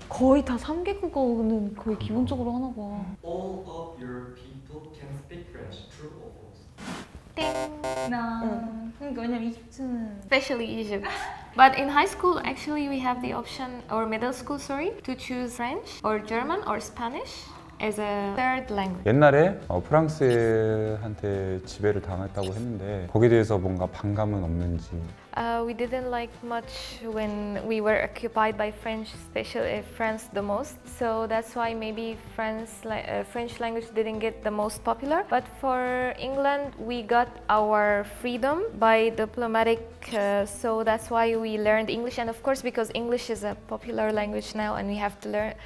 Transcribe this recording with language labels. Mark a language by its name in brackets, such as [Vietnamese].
[Korean] 거의 다 3개국어는 거의 기본적으로 하나 봐. [English] All of your people can speak French, true or false? [Korean] 땡! [English] Especially Egypt. But in high school, actually, we have the option, or middle school, sorry, to choose French or German or Spanish as a third language. [Korean] 옛날에 프랑스한테 지배를 당했다고 했는데 거기에 대해서 뭔가 반감은 없는지. [English] We didn't like much when we were occupied by French, especially France the most. So that's why maybe French language didn't get the most popular. But for England, we got our freedom by diplomatic. So that's why we learned English. And of course, because English is a popular language now, and we have to learn.